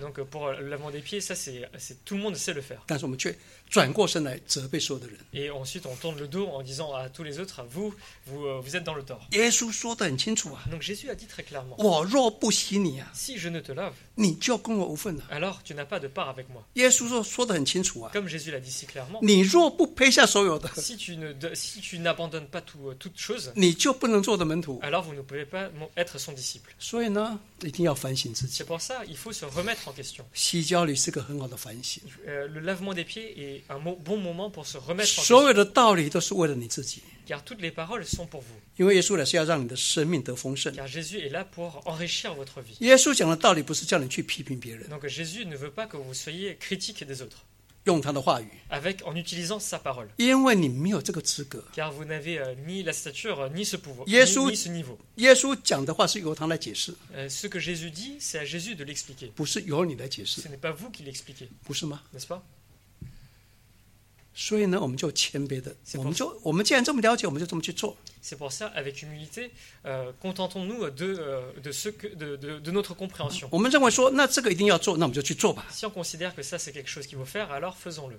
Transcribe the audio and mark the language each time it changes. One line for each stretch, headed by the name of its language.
French: Donc pour le lavement des pieds ça c'est tout le monde。
Chinese: 但是我们却转过身来责备所有的人。
French: Et ensuite on tourne le dos en disant à tous les autres, vous êtes dans le tort.
Chinese: 耶稣说得很清楚啊。
French: Donc Jésus a dit très clairement.
Chinese: 我若不洗你啊。
French: Si je ne te lave.
Chinese: 你就跟我无份了。
French: Alors tu n'as pas de part avec moi.
Chinese: 耶稣说得很清楚啊。
French: Comme Jésus l'a dit si clairement.
Chinese: 你若不赔下所有的。
French: Si tu n'abandonnes pas toute chose.
Chinese: 你就不能做的门徒。
French: Alors vous ne pouvez pas être son disciple.
Chinese: 所以呢，一定要反省自己。
French: C'est pour ça, il faut se remettre en question.
Chinese: 洗脚礼是个很好的反省。
French: Le lavement des pieds est un bon moment pour se remettre en
Chinese: question. 所有的道理都是为了你自己。
French: Car toutes les paroles sont pour vous.
Chinese: 因为耶稣来是要让你的生命得丰盛。
French: Car Jésus est là pour enrichir votre vie.
Chinese: 耶稣讲的道理不是叫你去批评别人。
French: Donc Jésus ne veut pas que vous soyez critique des autres.
Chinese: 用他的话语。
French: Avec en utilisant sa parole.
Chinese: 因为你没有这个资格。
French: Car vous n'avez ni la stature ni ce pouvoir.
Chinese: 耶稣
French: ni ce niveau.
Chinese: 耶稣讲的话是由他来解释。
French: Ce que Jésus dit, c'est à Jésus de l'expliquer.
Chinese: 不是由你来解释。
French: Ce n'est pas vous qui l'expliquez.
Chinese: 不是吗？
French: N'est-ce pas?
Chinese: 所以呢，我们就谦卑的，我们既然这么了解，我们就这么去做。
French: C'est pour ça, avec humilité, contentons-nous de notre compréhension.
Chinese: 我们认为说，那这个一定要做，那我们就去做吧。
French: Si on considère que ça c'est quelque chose qu'il faut faire, alors faisons-le.